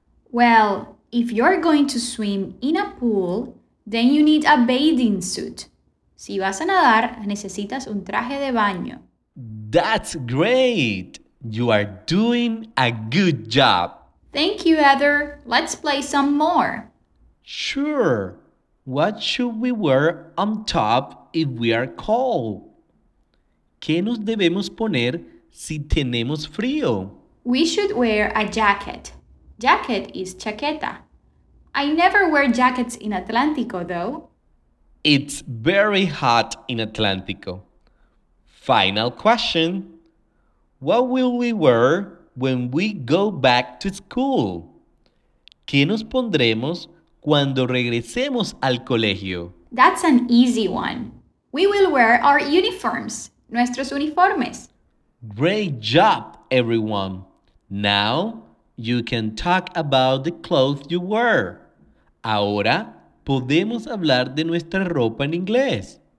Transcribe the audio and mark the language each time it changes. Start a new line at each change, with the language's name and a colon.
English: Well, if you're going to swim in a pool, then you need a bathing suit.
Spanish: Si vas a nadar, necesitas un traje de baño.
English: That's great! You are doing a good job. Thank you, Heather. Let's play some more. Sure. What should we wear on top if we are cold?
Spanish: ¿Qué nos debemos poner si tenemos frío?
English: We should wear a jacket. Jacket is chaqueta. I never wear jackets in Atlántico, though. It's very hot in Atlántico. Final question. What will we wear when we go back to school?
Spanish: ¿Qué nos pondremos cuando regresemos al colegio?
English: That's an easy one. We will wear our uniforms,
Spanish: nuestros uniformes.
English: Great job, everyone. Now you can talk about the clothes you wear.
Spanish: Ahora podemos hablar de nuestra ropa en inglés.